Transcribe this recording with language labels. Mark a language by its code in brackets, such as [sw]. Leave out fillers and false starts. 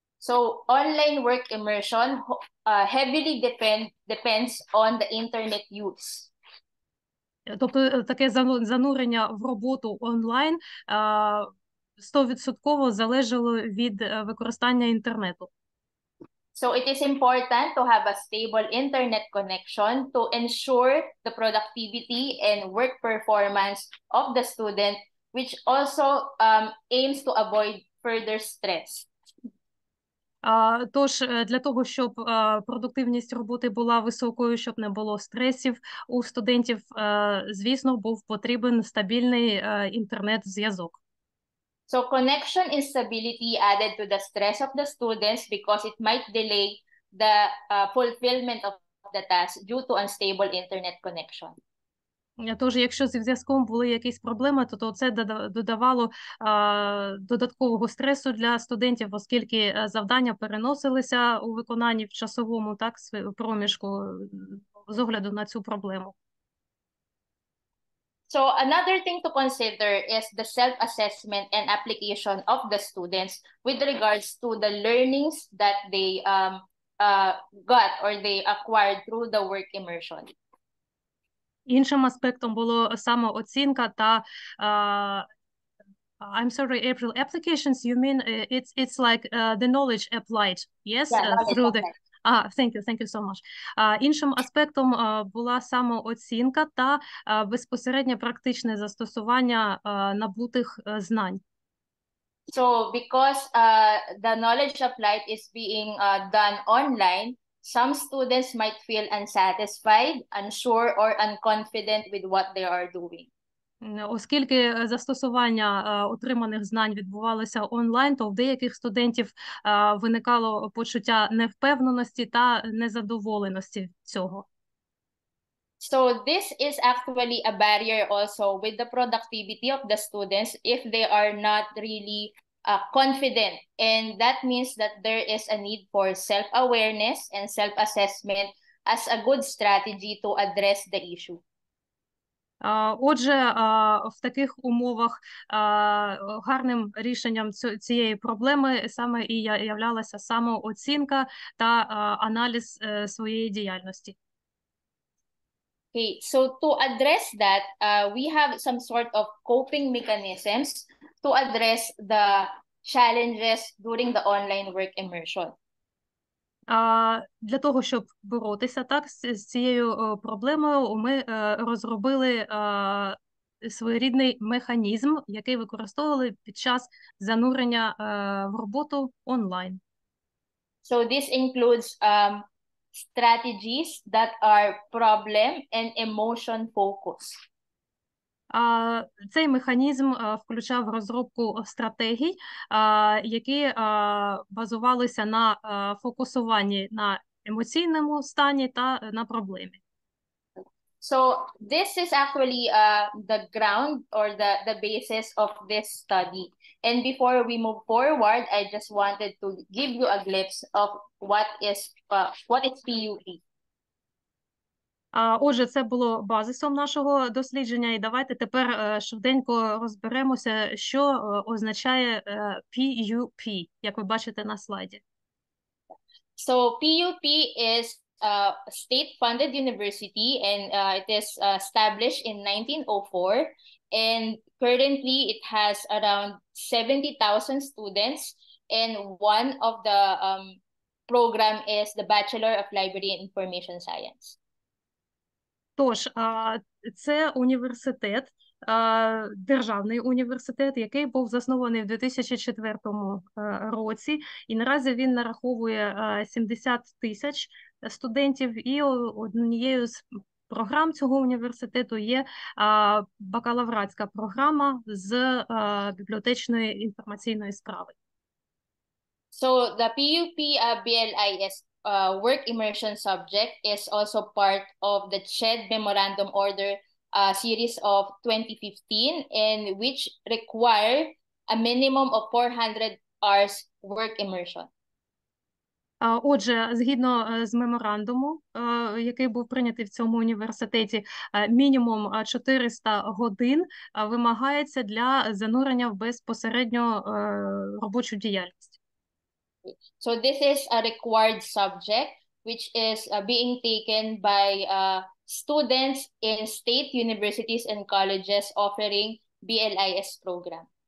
[en] So online work immersion heavily depends on the internet use. [uk] Тобто таке занурення в роботу онлайн 100% залежало від використання інтернету. [en] So it is important to have a stable internet connection to ensure the productivity and work performance of the student, which also aims to avoid further stress. [uk] Тож, для того, щоб продуктивність роботи була високою, щоб не було стресів у студентів, звісно, був потрібен стабільний інтернет-зв'язок. [en] So connection instability added to the stress of the students because it might delay the fulfillment of the task due to unstable internet connection. [uk] Тож, якщо зі зв'язком були якісь проблеми, то це додавало додаткового стресу для студентів, оскільки завдання переносилися у виконанні в часовому так проміжку з огляду на цю проблему. [en] So another thing to consider is the self-assessment and application of the students with regards to the learnings that they got or they acquired through the work immersion. [uk] Іншим аспектом було самооцінка та [en] I'm sorry, April, applications, you mean it's like the knowledge applied, yes? Yeah, through the applied. Thank you so much. [uk] Іншим аспектом була самооцінка та безпосереднє практичне застосування набутих знань. [en] So because the knowledge applied is being done online, some students might feel unsatisfied, unsure, or unconfident with what they are doing. [uk] Оскільки застосування отриманих знань відбувалося онлайн, то в деяких студентів виникало почуття невпевненості та незадоволеності цього. [en] So this is actually a barrier also with the productivity of the students if they are not really confident. And that means that there is a need for self-awareness and self-assessment as a good strategy to address the issue. [uk] Отже, в таких умовах гарним рішенням цієї проблеми саме і являлася самооцінка та аналіз своєї діяльності. [en] Okay, so to address that, we have some sort of coping mechanisms to address the challenges during the online work immersion. [uk] Для того, щоб боротися так з цією проблемою, ми розробили своєрідний механізм, який використовували під час занурення в роботу онлайн. [en] So this includes strategies that are problem and emotion focused. [uk] Цей механізм включав розробку стратегій, які базувалися на фокусуванні на емоційному стані та на проблемі. [en] So this is actually the ground or the basis of this study. And before we move forward, I just wanted to give you a glimpse of what is PUE. [uk] Отже, це було базисом нашого дослідження, і давайте тепер швиденько розберемося, що означає PUP, як ви бачите на слайді. [en] So PUP is a state-funded university, and it is established in 1904, and currently it has around 70,000 students, and one of the program is the Bachelor of Library and Information Science. [uk] Тож, це університет, державний університет, який був заснований в 2004 році, і наразі він нараховує 70 тисяч студентів, і однією з програм цього університету є бакалаврська програма з бібліотечної інформаційної справи. [en] So the PUP BLIS work immersion subject is also part of the CHED Memorandum Order series of 2015, and which require a minimum of 400 hours work immersion. [uk] Отже, згідно з меморандуму, який був прийнятий в цьому університеті, мінімум 400 годин вимагається для занурення в безпосередньо робочу діяльність. [en] So this is a required subject which is being taken by students in state universities and colleges offering BLIS program.